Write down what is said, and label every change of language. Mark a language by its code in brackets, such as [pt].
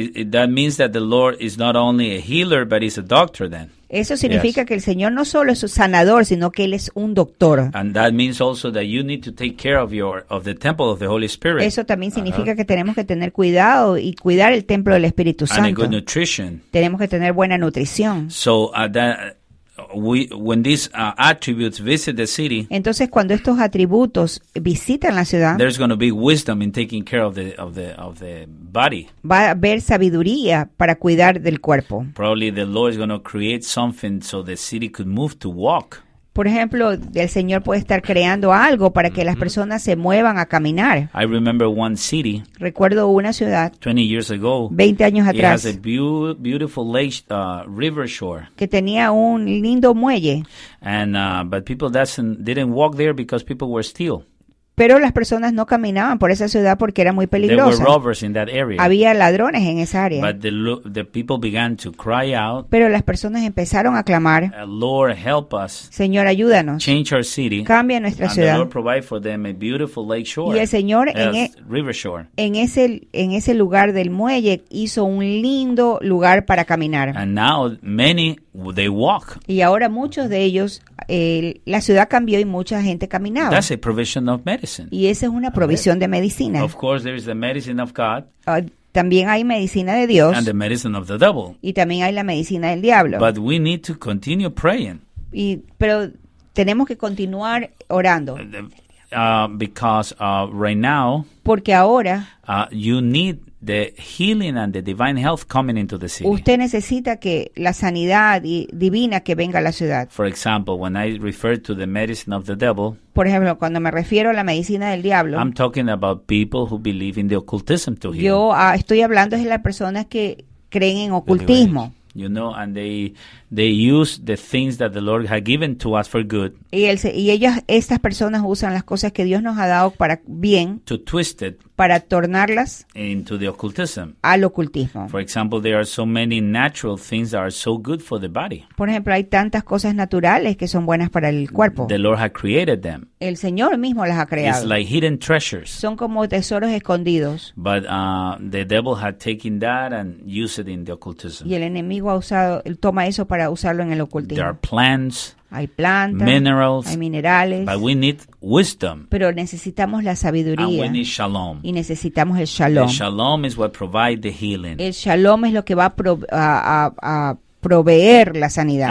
[en] That means that the Lord is not only a healer, but he's a doctor then. [es] Eso significa que el Señor no solo es un sanador, sino que él es un doctor. [en] And that means also that you need to take care of the temple of the Holy Spirit. [es] Eso también significa que tenemos que tener cuidado y cuidar el templo del Espíritu Santo. [en] And a good nutrition. [es] Tenemos que tener buena nutrición. [en] So when these attributes visit the city, [es] entonces cuando estos atributos visitan la ciudad, [en] there's going to be wisdom in taking care of the body. [es] Va a haber sabiduría para cuidar del cuerpo. [en] Probably the Lord is going to create something so the city could move to walk. [es] Por ejemplo, el Señor puede estar creando algo para que las personas se muevan a caminar. [en] I remember one city. [es] Recuerdo una ciudad. [en] 20 years ago. [es] 20 años atrás. [en] It has a beautiful lake, river shore. [es] Que tenía un lindo muelle. [en] And but people didn't walk there because people were still. [es] Pero las personas no caminaban por esa ciudad porque era muy peligrosa. [en] There were robbers in that area. [es] Había ladrones en esa área. [en] But the people began to cry out, [es] pero las personas empezaron a clamar, [en] Lord, help us. [es] Señor, ayúdanos. [en] Change our city. [es] Cambia nuestra [en] and [es] ciudad. [en] The Lord provided for them a beautiful lake shore. [es] Y el Señor [en] river shore. [es] En ese lugar del muelle hizo un lindo lugar para caminar. [en] And now many, they walk. [es] Y ahora muchos de ellos, la ciudad cambió y mucha gente caminaba. [en] That's a provision of medicine. [es] Y esa es una provisión de medicina. [en] Of course, there is the medicine of God. [es] También hay medicina de Dios. [en] And the medicine of the devil. [es] Y también hay la medicina del diablo. [en] But we need to continue praying. [es] Pero tenemos que continuar orando. [en] Right now, [es] porque ahora, [en] you need the healing and the divine health coming into the city. [es] Usted necesita que la sanidad divina que venga a la ciudad. [en] For example, when I refer to the medicine of the devil, [es] por ejemplo, cuando me refiero a la medicina del diablo, [en] I'm talking about people who believe in the occultism to heal. [es] Yo estoy hablando de las personas que creen en ocultismo. [en] You know, and they use the things that the Lord had given to us for good. [es] Estas personas usan las cosas que Dios nos ha dado para bien. [en] To twist it. [es] Para tornarlas. [en] Into the occultism. [es] Al ocultismo. [en] For example, there are so many natural things that are so good for the body. [es] Por ejemplo, hay tantas cosas naturales que son buenas para el cuerpo. [en] The Lord had created them. [es] El Señor mismo las ha creado. [en] It's like hidden treasures. [es] Son como tesoros escondidos. [en] But the devil had taken that and used it in the occultism. [es] Y el enemigo ha usado, toma eso para usarlo en el ocultismo. [en] There are plants. [es] Hay plantas, [en] minerals, [es] hay minerales, [en] but we need wisdom, [es] pero necesitamos la sabiduría, [en] and we need shalom. [es] Y necesitamos el shalom. [en] The shalom is what provides the healing. [es] El shalom es lo que va a proveer la sanidad.